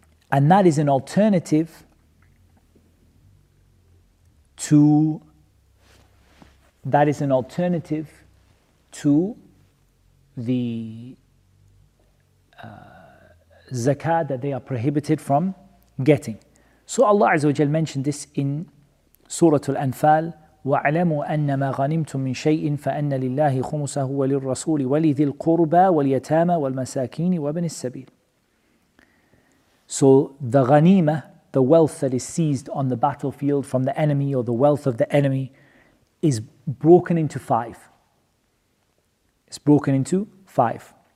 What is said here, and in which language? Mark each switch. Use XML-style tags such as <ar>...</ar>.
<en>And that is an alternative to... that is an alternative to the zakah that they are prohibited from getting. So Allah Azza wa Jalla mentioned this in Surah Al-Anfal,</en> <ar>وَعْلَمُوا أَنَّمَا غَنِمْتُمْ مِنْ شَيْءٍ فَأَنَّ لِلَّهِ خُمُسَهُ وَلِلْرَّسُولِ وَلِذِي الْقُرْبَى وَالْيَتَامَى وَالْمَسَاكِينِ وَبْنِ السَّبِيلِ.</ar> <en>So the ghanima, the wealth that is seized on the battlefield from the enemy, or the wealth of the enemy, is broken into five. It's broken into five.</en>